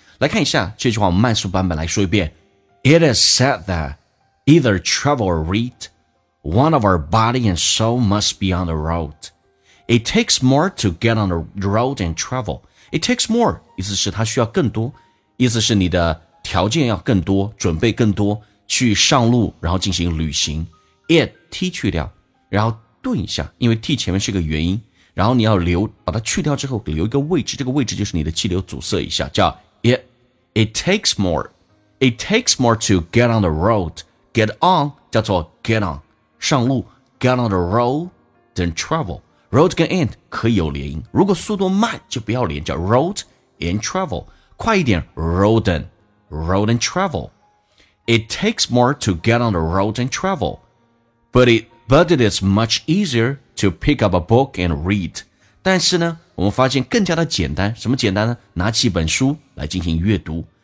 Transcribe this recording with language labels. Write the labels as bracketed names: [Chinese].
[Chinese] 来看一下这句话，我们慢速版本来说一遍。 [English] It is said that either travel or readOne of our body and soul must be on the road. It takes more to get on the road and travel. It takes more, [Chinese] 意思是它需要更多，意思是你的条件要更多，准备更多，去上路，然后进行旅行。 It, T 去掉，然后顿一下，因为 T 前面是个元音，然后你要留，把它去掉之后留一个位置，这个位置就是你的气流阻塞一下，叫 It. [English] It takes more. It takes more to get on the road. Get on, 叫做 get on. [Chinese] 上路 [English] get on the road then travel. [Chinese] Road 跟 and 可以有连音，如果速度慢就不要连，叫 [English] road and travel. [Chinese] 快一点 [English] road and travel. It takes more to get on the road and travel, but it is much easier to pick up a book and read. [Chinese] 但是呢，我们发现更加的简单，什么简单呢？拿起一本书来进行阅读。